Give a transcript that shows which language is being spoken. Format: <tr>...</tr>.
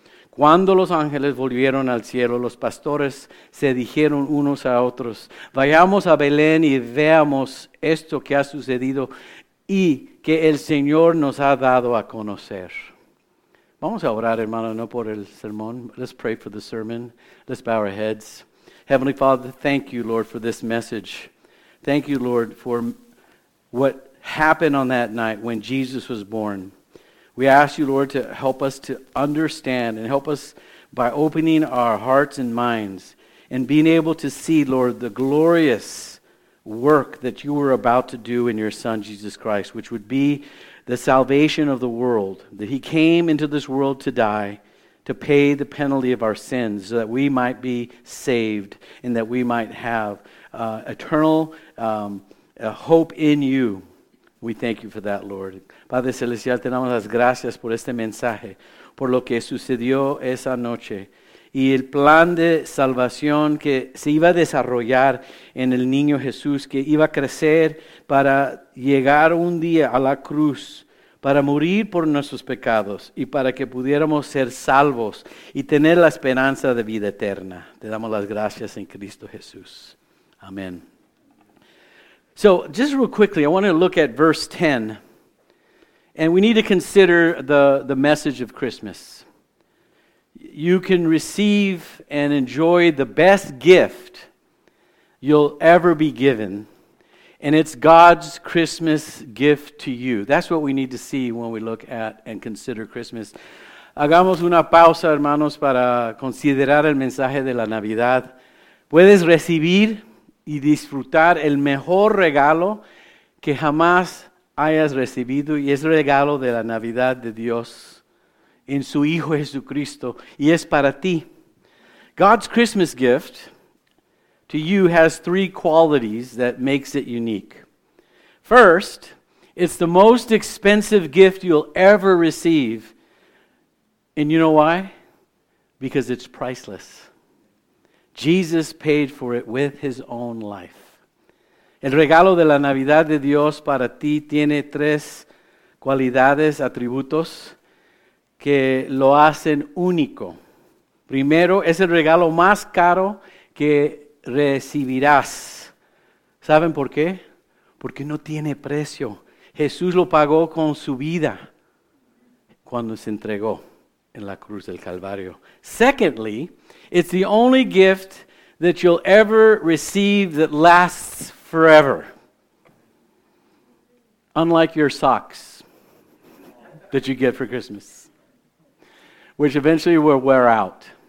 <es>Cuando los ángeles volvieron al cielo, los pastores se dijeron unos a otros, vayamos a Belén y veamos esto que ha sucedido y que el Señor nos ha dado a conocer. Vamos a orar, hermano, no por el sermón.</es> <en>Let's pray for the sermon. Let's bow our heads. Heavenly Father, thank you, Lord, for this message. Thank you, Lord, for what happened on that night when Jesus was born. We ask you, Lord, to help us to understand and help us by opening our hearts and minds and being able to see, Lord, the glorious work that you were about to do in your Son, Jesus Christ, which would be the salvation of the world, that he came into this world to die, to pay the penalty of our sins so that we might be saved and that we might have eternal hope in you. We thank you for that, Lord.</en> <es>Padre Celestial, te damos las gracias por este mensaje, por lo que sucedió esa noche y el plan de salvación que se iba a desarrollar en el niño Jesús, que iba a crecer para llegar un día a la cruz, para morir por nuestros pecados y para que pudiéramos ser salvos y tener la esperanza de vida eterna. Te damos las gracias en Cristo Jesús. Amén.</es> <en>So just real quickly, I want to look at verse 10. And we need to consider the message of Christmas. You can receive and enjoy the best gift you'll ever be given. And it's God's Christmas gift to you. That's what we need to see when we look at and consider Christmas.</en> <es>Hagamos una pausa, hermanos, para considerar el mensaje de la Navidad. Puedes recibir y disfrutar el mejor regalo que jamás hayas recibido, y es el regalo de la Navidad de Dios en su Hijo Jesucristo, y es para ti.</es> <en>God's Christmas gift to you has three qualities that makes it unique. First, it's the most expensive gift you'll ever receive, and you know why? Because it's priceless. Jesus paid for it with his own life.</en> <es>El regalo de la Navidad de Dios para ti tiene tres cualidades, atributos, que lo hacen único. Primero, es el regalo más caro que recibirás. ¿Saben por qué? Porque no tiene precio. Jesús lo pagó con su vida cuando se entregó en la cruz del Calvario.</es> <en>Secondly, it's the only gift that you'll ever receive that lasts forever. Unlike your socks that you get for Christmas, which eventually will wear out.</en>